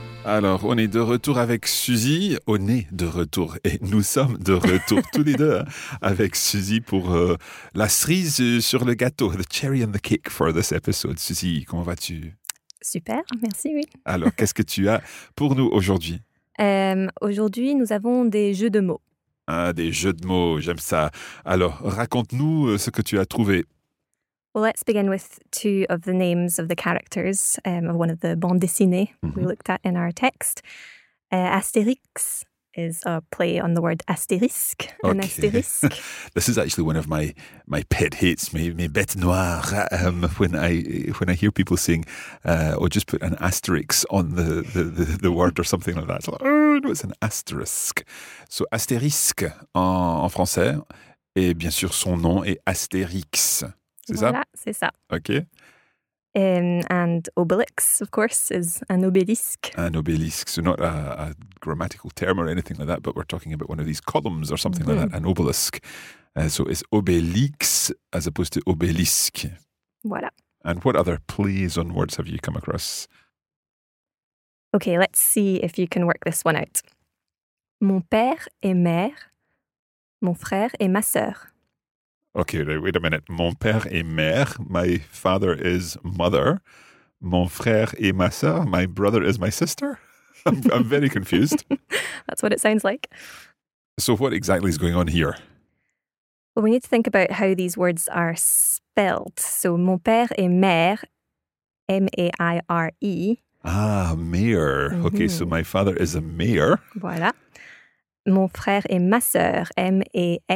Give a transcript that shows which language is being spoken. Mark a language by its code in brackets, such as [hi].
[fr] Alors, on est de retour avec Suzy. On est de retour et nous sommes de retour tous les deux avec Suzy pour la cerise sur le gâteau, [en] the cherry on the cake for this episode. [fr] Suzy, comment vas-tu? Super, merci, oui. Alors, qu'est-ce que tu as pour nous aujourd'hui? Aujourd'hui, nous avons des jeux de mots. Ah, des jeux de mots, j'aime ça. Alors, raconte-nous ce que tu as trouvé. [en] Well, let's begin with two of the names of the characters of one of the bandes dessinées we looked at in our text. Astérix is a play on the word astérisque, okay. An astérisque. This is actually one of my pet hates, my bête noire, when I hear people saying, just put an asterisk on the word or something like that. Like, oh, no, it's an asterisk. [fr] So astérisque en français, et bien sûr son nom est Astérix. C'est voilà, ça? Voilà, c'est ça. OK. [en] And obelisk, of course, is an obelisk. An obelisk, so not a grammatical term or anything like that, but we're talking about one of these columns or something mm-hmm. like that, an obelisk. So it's obelisk as opposed to obelisk. [fr] Voilà. [en] And what other plays on words have you come across? Okay, let's see if you can work this one out. [fr] Mon père et mère, mon frère et ma sœur. [en] Okay, wait a minute. [fr] Mon père et mère, [en] my father is mother. [fr] Mon frère et ma sœur, [en] my brother is my sister. I'm very confused. That's what it sounds like. So what exactly is going on here? Well, we need to think about how these words are spelled. So [fr] mon père et mère, [en] M-A-I-R-E. Ah, mère. Mm-hmm. Okay, so my father is a mère. [fr] Voilà. Mon frère et ma sœur, M-A-S-S-E-U-R.